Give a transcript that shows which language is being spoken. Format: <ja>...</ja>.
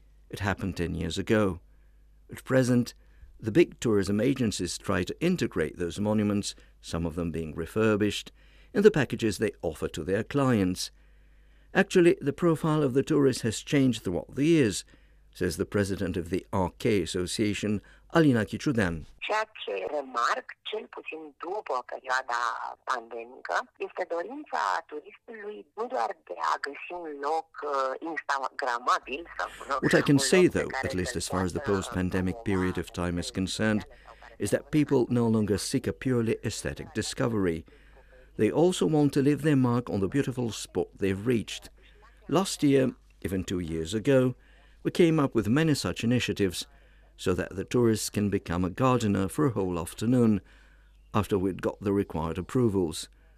<en>It happened 10 years ago. At present, the big tourism agencies try to integrate those monuments, some of them being refurbished, in the packages they offer to their clients. Actually, the profile of the tourist has changed throughout the years, says the president of the RK Association, Alina Kichudan.</en> <ro>Ceea ce remarc, cel puțin după perioada pandemică, este dorința turistului nu doar de a găsi un loc instagramabil.</ro> <en>What I can say, though, at least as far as the post-pandemic period of time is concerned, is that people no longer seek a purely aesthetic discovery. They also want to leave their mark on the beautiful spot they've reached. Last year, even 2 years ago, we came up with many such initiatives so that the tourists can become a gardener for a whole afternoon after we'd got the required approvals.</en>